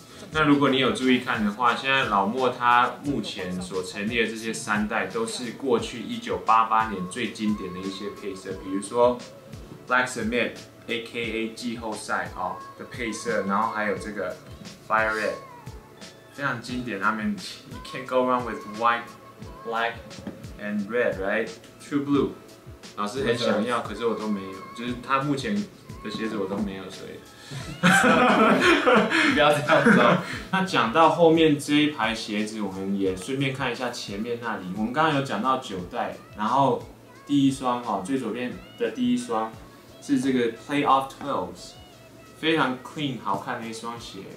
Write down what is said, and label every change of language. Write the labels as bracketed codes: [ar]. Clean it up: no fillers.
[zh] 那如果你有注意看的话，现在老莫他目前所陈列的这些三代都是过去1988年最经典的一些配色，比如说 Black Cement AKA 季后赛的配色，然后还有这个 Fire Red 非常经典。 [en] I mean you can't go wrong with white, black and red, right? [zh] True Blue 老师很想要，可是我都没有，就是他目前的鞋子我都没有，所以你不要这样子。那讲到后面这一排鞋子，我们也顺便看一下前面那里。我们刚刚有讲到九代，然后第一双最左边的第一双是这个 Playoff 12s， 非常 clean 好看的一双鞋。